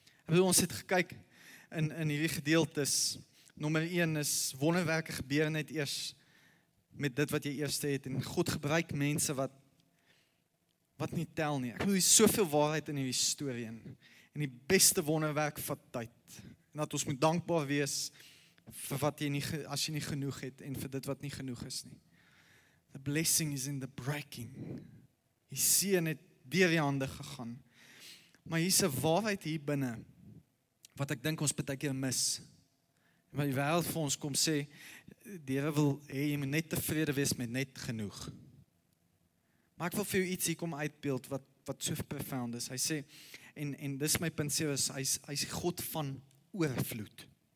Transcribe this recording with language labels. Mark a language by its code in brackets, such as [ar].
[af] Ons het gekyk in hierdie gedeeltes, nommer 1 is, wonderwerke gebeur net eers met dit wat jy eerste het, en God gebruik mense wat nie tel nie. Ek bedoel, soveel waarheid in hierdie story en die beste wonderwerk vat tyd, en dat ons moet dankbaar wees vir wat jy nie, as jy nie genoeg het, en vir dit wat nie genoeg is nie. [en] The blessing is in the breaking. [af] Die seën het deur die hande gegaan. Maar hier is een waarheid hier binnen, wat ek dink ons baie keer mis. En wat die wêreld vir ons kom sê, die Here wil hê, jy moet net tevrede wees met net genoeg. Maar ek wil vir jou iets hier kom uitbeeld, wat so profound is. Hy sê, en dis my punt sê, hy is God van oorvloed.